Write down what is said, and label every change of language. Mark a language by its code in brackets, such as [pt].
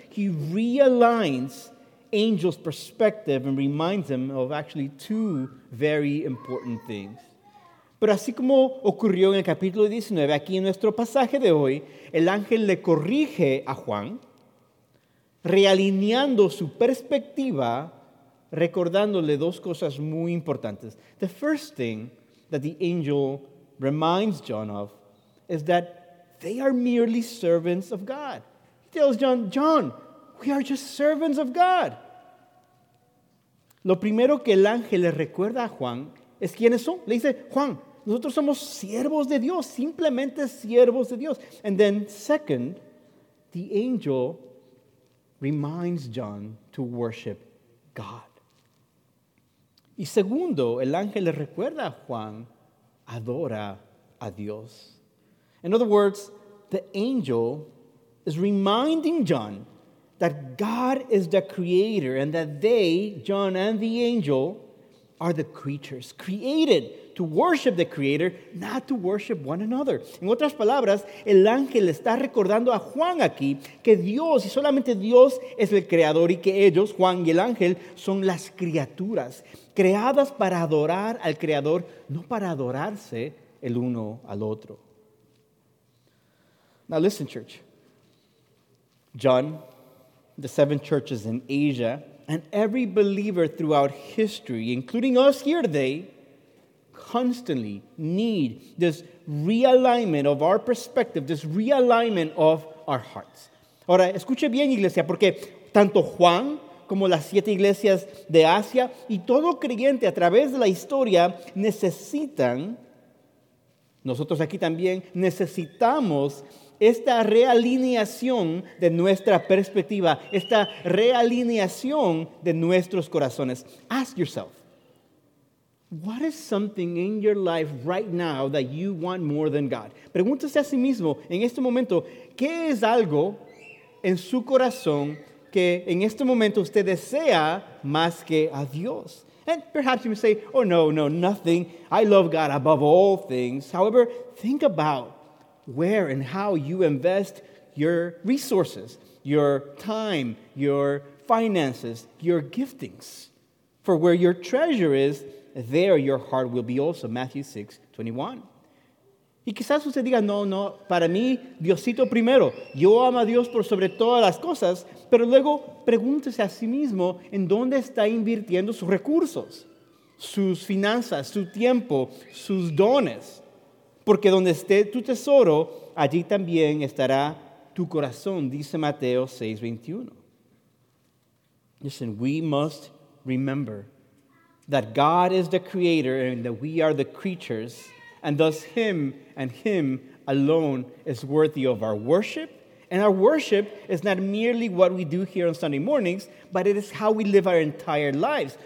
[en] He realigns angel's perspective and reminds him of actually two very important things. [es] Pero así como ocurrió en el capítulo 19, aquí en nuestro pasaje de hoy, el ángel le corrige a Juan, realineando su perspectiva, recordándole dos cosas muy importantes. [en] The first thing that the angel reminds John of is that they are merely servants of God. He tells John, John, we are just servants of God. [es] Lo primero que el ángel le recuerda a Juan es quiénes son. Le dice, Juan, nosotros somos siervos de Dios, simplemente siervos de Dios. [en] And then second, the angel reminds John to worship God. [es] Y segundo, el ángel le recuerda a Juan, adora a Dios. [en] In other words, the angel is reminding John that God is the creator and that they, John and the angel, are the creatures created to worship the creator, not to worship one another. [es] En otras palabras, el ángel está recordando a Juan aquí que Dios y solamente Dios es el creador y que ellos, Juan y el ángel, son las criaturas creadas para adorar al creador, no para adorarse el uno al otro. [en] Now listen, church. John, the seven churches in Asia, and every believer throughout history, including us here today, constantly need this realignment of our perspective, this realignment of our hearts. [es] Ahora, escuche bien, iglesia, porque tanto Juan como las siete iglesias de Asia y todo creyente a través de la historia necesitan, nosotros aquí también, necesitamos esta realineación de nuestra perspectiva, esta realineación de nuestros corazones. [en] Ask yourself, what is something in your life right now that you want more than God? [es] Pregúntese a sí mismo, en este momento, ¿qué es algo en su corazón que en este momento usted desea más que a Dios? [en] And perhaps you may say, oh no, no, nothing. I love God above all things. However, think about where and how you invest your resources, your time, your finances, your giftings. For where your treasure is, there your heart will be also. Matthew 6, 21. [es] Y quizás usted diga, no, no, para mí, Diosito primero. Yo amo a Dios por sobre todas las cosas. Pero luego pregúntese a sí mismo en dónde está invirtiendo sus recursos, sus finanzas, su tiempo, sus dones. Porque donde esté tu tesoro, allí también estará tu corazón, dice Mateo 6, 21. [en] Listen, we must remember that God is the creator and that we are the creatures and thus him and him alone is worthy of our worship. And our worship is not merely what we do here on Sunday mornings, but it is how we live our entire lives.